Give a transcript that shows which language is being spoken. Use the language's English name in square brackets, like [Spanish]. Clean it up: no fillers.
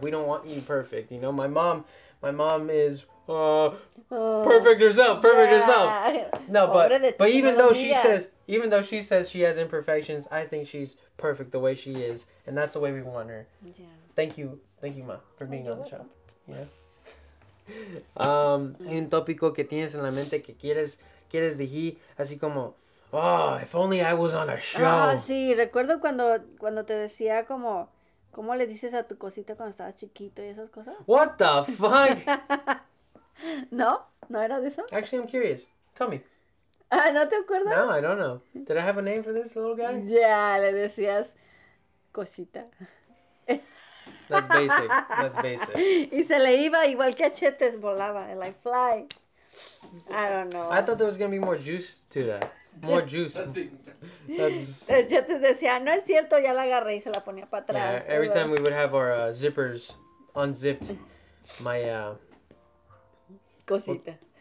[English] We don't want you perfect. You know, my mom is perfect herself. Perfect herself. No, but even though she says she has imperfections, I think she's perfect the way she is, and that's the way we want her. Yeah. Thank you, ma, for being on the show. Yeah. [Spanish] Un tópico que tienes en la mente que quieres. Quieres decir así como, [English] oh, if only I was on a show. [Spanish] Ah, sí, recuerdo cuando te decía como, ¿cómo le dices a tu cosita cuando estabas chiquito y esas cosas? [English] What the fuck? [Spanish] ¿No? ¿No era de eso? [English] Actually, I'm curious. Tell me. [Spanish] Ah, ¿no te acuerdas? [English] No, I don't know. Did I have a name for this little guy? [Spanish] Yeah, le decías cosita. [English] That's basic. [Spanish] Y se le iba igual que achetes, volaba, [English] like fly. I don't know. I thought there was going to be more juice to that. More juice. [Spanish] Yo te decía, no es cierto, ya la agarré y se la ponía para atrás. [English] Yeah, every time we would have our zippers unzipped, my cosita.